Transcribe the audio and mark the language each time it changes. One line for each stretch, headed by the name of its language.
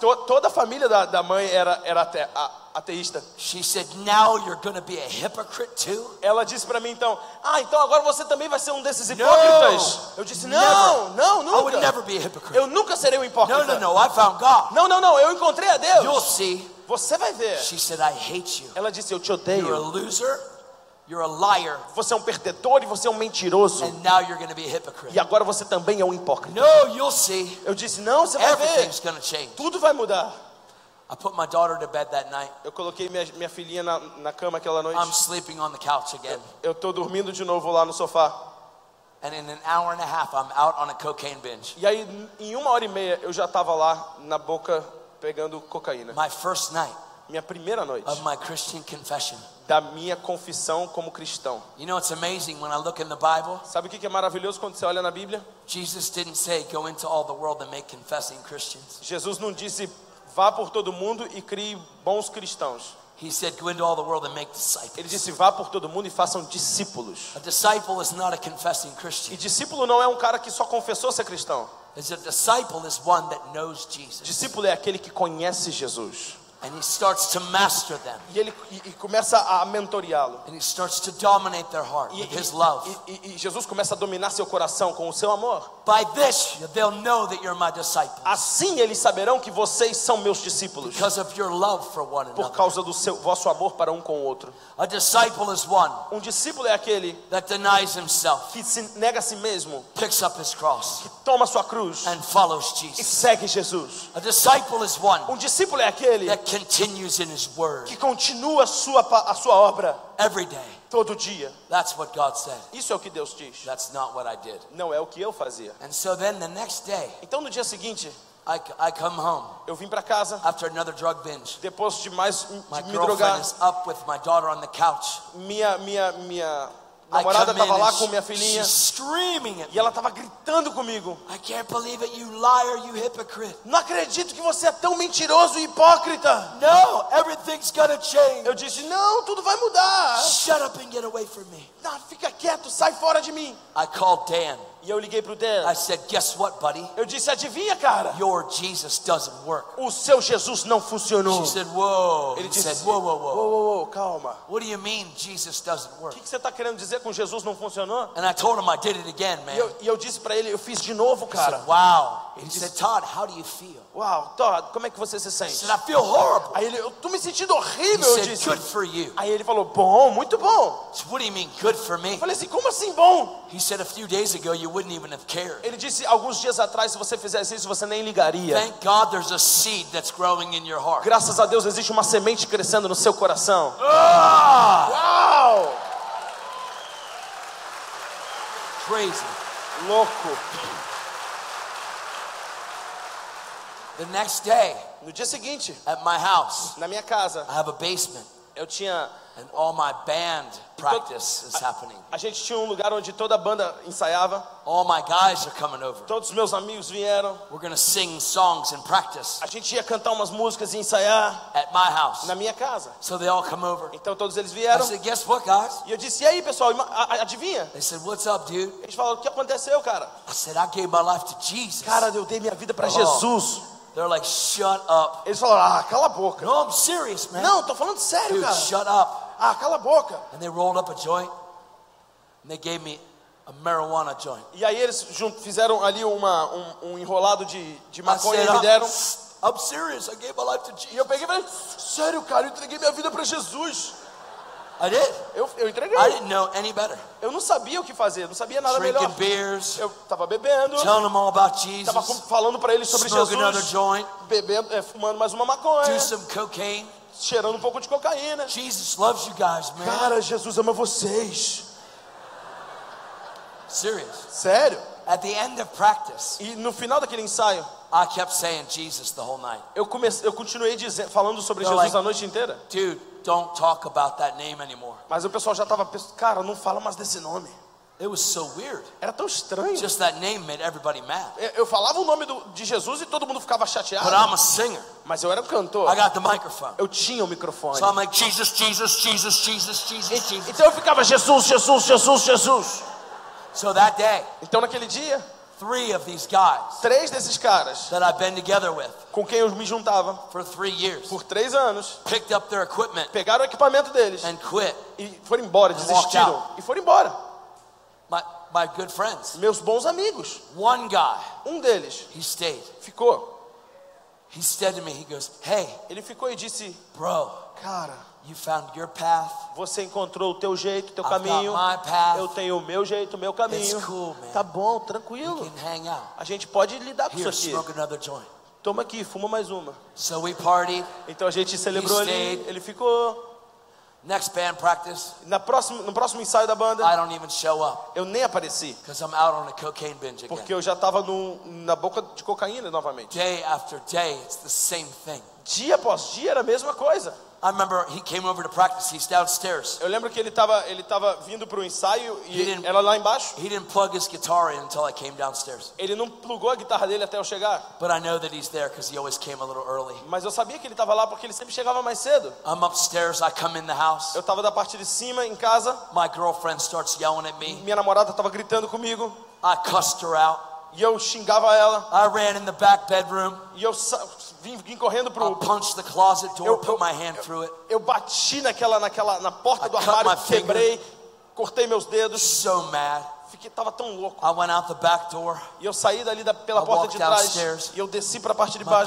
Portuguese: Toda a família da mãe era ateísta.
English: She said, "Now you're going to be a hypocrite too?"
Portuguese: Ela disse para mim então, então agora você também vai ser um desses hipócritas?
English: No,
Portuguese: eu disse, não, nunca.
English: I would never be a hypocrite.
Portuguese: Eu nunca serei um hipócrita.
English: No, I found God.
Portuguese: Não, eu encontrei a Deus.
English: You'll see.
Portuguese: Você vai ver.
English: She said, "I hate you."
Portuguese: Ela disse, eu te odeio.
English: You're a loser. You're a liar.
Portuguese: Você é um perdedor e você é um mentiroso.
English: And now you're going to be a hypocrite.
Portuguese: E agora você também é um hipócrita.
English: No, you'll see.
Portuguese: Eu disse, não, você vai ver.
English: Everything's going to change.
Portuguese: Tudo vai mudar.
English: I put my daughter to bed that night.
Portuguese: Eu coloquei minha filhinha na cama aquela noite.
English: I'm sleeping on the couch again.
Portuguese: Eu tô dormindo de novo lá no sofá.
English: And in an hour and a half, I'm out on a cocaine binge.
Portuguese: E aí, em uma hora e meia, eu já tava lá na boca pegando cocaína.
English: My first night.
Portuguese: Minha primeira noite.
English: Of my Christian confession.
Portuguese: Da minha confissão como cristão.
English: You know, it's amazing when I look in the Bible.
Portuguese: Sabe o que é maravilhoso quando você olha na Bíblia?
English: Jesus didn't say go into all the world and make confessing Christians.
Portuguese: Jesus não disse vá por todo mundo e crie bons cristãos.
English: He said go into all the world and make disciples.
Portuguese: Ele disse vá por todo mundo e façam discípulos.
English: A disciple is not a confessing Christian.
Portuguese: E discípulo não é um cara que só confessou ser cristão.
English: It's a disciple is one that knows Jesus.
Portuguese: Discípulo é aquele que conhece Jesus.
English: And he starts to master them.
Portuguese: E ele começa a mentoriá-lo.
English: And he starts to dominate their heart with his love.
Portuguese: E Jesus começa a dominar seu coração com o seu amor.
English: By this, they'll know that you're my disciples.
Portuguese: Assim eles saberão que vocês são meus discípulos.
English: Because of your love for one another.
Portuguese: Por causa do vosso amor para com o outro.
English: A disciple is one.
Portuguese: Um discípulo é aquele
English: that denies himself.
Portuguese: Que se nega a si mesmo.
English: Picks up his cross.
Portuguese: Que toma sua cruz.
English: And follows Jesus.
Portuguese: E segue Jesus.
English: A disciple is one.
Portuguese: Um discípulo é aquele
English: that continues in his word.
Portuguese: Que continua a sua obra.
English: Every day.
Portuguese: Todo dia.
English: That's what God said.
Portuguese: Isso é o que Deus diz.
English: That's not what I did.
Portuguese: Não é o que eu fazia.
English: And so then the next day.
Portuguese: Então no dia seguinte,
English: I come home.
Portuguese: Eu vim para casa.
English: After another drug binge.
Portuguese: Depois de mais
English: my
Portuguese: me drogar.
English: Girlfriend is up with my daughter on the couch.
Portuguese: Minha namorada estava lá com minha filhinha.
English: She's screaming at me.
Portuguese: E ela estava gritando comigo.
English: I can't believe it, you liar, you hypocrite.
Portuguese: Não acredito que você é tão mentiroso e hipócrita.
English: No, everything's gonna change.
Portuguese: Eu disse, não, tudo vai mudar.
English: Shut up and get away from me.
Portuguese: Não, fica quieto, sai fora de mim.
English: I called Dan.
Portuguese: E eu liguei pro Dan.
English: I said, guess what, buddy?
Portuguese: Eu disse, adivinha, cara?
English: Your Jesus doesn't work.
Portuguese: O seu Jesus não funcionou.
English: She said, whoa.
Portuguese: Ele disse, whoa, calma.
English: What do you mean Jesus doesn't work?
Portuguese: Que você tá querendo dizer com Jesus não funcionou?
English: And I told him I did it again, man.
Portuguese: E eu disse para ele, eu fiz de novo, cara.
English: He said, wow.
Portuguese: Ele disse,
English: Todd, how do you feel?
Portuguese: Wow, Todd, como é que você se sente?
English: He said, I feel horrible.
Portuguese: Aí ele, eu tô me sentindo horrível,
English: he
Portuguese: eu
English: said,
Portuguese: disse.
English: Good for you.
Portuguese: Aí ele falou, bom, muito bom.
English: So what do you mean good for me?
Portuguese: Eu falei assim, como assim bom?
English: He said a few days ago you wouldn't even have cared.
Portuguese: Ele disse alguns dias atrás se você fizesse isso você nem ligaria.
English: Thank God there's a seed that's growing in your heart.
Portuguese: Graças a Deus existe uma semente crescendo no seu coração. Wow!
English: Crazy.
Portuguese: Louco.
English: The next day.
Portuguese: No dia seguinte.
English: At my house.
Portuguese: Na minha casa.
English: I have a basement.
Portuguese: Eu tinha.
English: And all my band practice is happening.
Portuguese: A gente tinha um lugar onde toda a banda ensaiava.
English: All my guys are coming over.
Portuguese: Todos os meus amigos vieram.
English: We're gonna sing songs and practice.
Portuguese: A gente ia cantar umas músicas e ensaiar.
English: At my house.
Portuguese: Na minha casa.
English: So they all come over.
Portuguese: Então todos eles vieram.
English: I said, guess what, guys?
Portuguese: E eu disse, e aí, pessoal, adivinha?
English: They said, what's up, dude?
Portuguese: Eles falaram, o que aconteceu, cara?
English: I said, I gave my life to Jesus.
Portuguese: Cara, eu dei minha vida para Jesus.
English: They're like, shut up.
Portuguese: Eles falaram, ah, cala a boca.
English: No, I'm serious, man.
Portuguese: Não, tô falando sério,
English: dude,
Portuguese: cara.
English: Shut up.
Portuguese: Ah, cala a boca.
English: And they rolled up a joint. And they gave me a marijuana joint.
Portuguese: E aí eles fizeram ali um enrolado de maconha e me deram.
English: I'm serious. I gave my life to Jesus.
Portuguese: E eu peguei e falei, sério, cara, eu entreguei minha vida para Jesus.
English: I did.
Portuguese: Eu entreguei.
English: I didn't know any better.
Portuguese: Eu não sabia o que fazer, não sabia nada
English: drinking
Portuguese: melhor.
English: Beers,
Portuguese: eu estava bebendo.
English: Telling them all about Jesus.
Portuguese: Estava falando para eles sobre
English: smoking
Portuguese: Jesus.
English: Another joint,
Portuguese: bebendo, fumando mais uma maconha.
English: Do some cocaine.
Portuguese: Cheirando um pouco de cocaína.
English: Jesus loves you guys, man.
Portuguese: Cara, Jesus ama vocês.
English: Serious.
Portuguese: Sério?
English: At the end of practice.
Portuguese: E no final daquele ensaio,
English: I kept saying Jesus the whole night.
Portuguese: Eu continuei dizendo, falando sobre
English: They're
Portuguese: Jesus
English: like,
Portuguese: a noite inteira.
English: Dude, don't talk about that name anymore.
Portuguese: Mas o pessoal já estava, cara, não fala mais desse nome.
English: It was so weird.
Portuguese: Era tão estranho.
English: Just that name made everybody mad.
Portuguese: Eu falava o nome de Jesus e todo mundo ficava chateado.
English: But I'm a singer.
Portuguese: Mas eu era um cantor.
English: I got the microphone.
Portuguese: Eu tinha o microfone.
English: So I'm like Jesus, Jesus, Jesus, Jesus, Jesus, Jesus.
Portuguese: Então eu ficava Jesus, Jesus, Jesus, Jesus.
English: So that day.
Portuguese: Então naquele dia.
English: Three of these guys.
Portuguese: Três desses caras.
English: That I've been together with.
Portuguese: Com quem eu me juntava.
English: For 3 years.
Portuguese: Por 3 anos.
English: Picked up their equipment.
Portuguese: Pegaram o equipamento deles.
English: And quit.
Portuguese: E foram embora, desistiram. E foram embora.
English: My good friends.
Portuguese: Meus bons amigos.
English: One guy.
Portuguese: Um deles.
English: He stayed.
Portuguese: Ficou.
English: He said to me, he goes, hey.
Portuguese: Ele ficou e disse,
English: bro.
Portuguese: Cara.
English: You found your path.
Portuguese: Você encontrou o teu jeito, teu caminho. Eu tenho o meu jeito, o meu caminho.
English: It's cool, man.
Portuguese: Tá bom, tranquilo.
English: We can hang out.
Portuguese: A gente pode lidar
English: Here,
Portuguese: com isso aqui.
English: Smoke another joint.
Portuguese: Toma aqui, fuma mais uma.
English: So we partied.
Portuguese: Então a gente celebrou
English: He
Portuguese: ali.
English: Stayed.
Portuguese: Ele ficou.
English: Next band practice.
Portuguese: No próximo ensaio da banda.
English: I don't even show up.
Portuguese: Eu nem apareci.
English: Because I'm out on a cocaine binge again.
Portuguese: Porque eu já estava na boca de cocaína novamente.
English: Day after day, it's the same thing.
Portuguese: Dia após dia era a mesma coisa.
English: I remember he came over to practice. He's downstairs.
Portuguese: Eu lembro que ele tava vindo pro ensaio e era lá embaixo.
English: He didn't plug his guitar in until I came downstairs.
Portuguese: Ele não plugou a guitarra dele até eu chegar.
English: But I know that he's there because he always came a little early.
Portuguese: Mas eu sabia que ele tava lá porque ele sempre chegava mais cedo.
English: I'm upstairs. I come in the house.
Portuguese: Eu tava da parte de cima em casa.
English: My girlfriend starts yelling at me.
Portuguese: Minha namorada tava gritando comigo.
English: I cussed her out.
Portuguese: E eu xingava ela.
English: I ran in the back bedroom.
Portuguese: E eu vim correndo pro.
English: I punched the closet door, put my hand through it.
Portuguese: Eu bati na porta do armário, quebrei, cortei meus dedos.
English: So mad.
Portuguese: Fiquei, tava tão louco.
English: I went out the back door.
Portuguese: E eu saí dali pela porta de trás.
English: Downstairs.
Portuguese: E eu desci para a parte de baixo.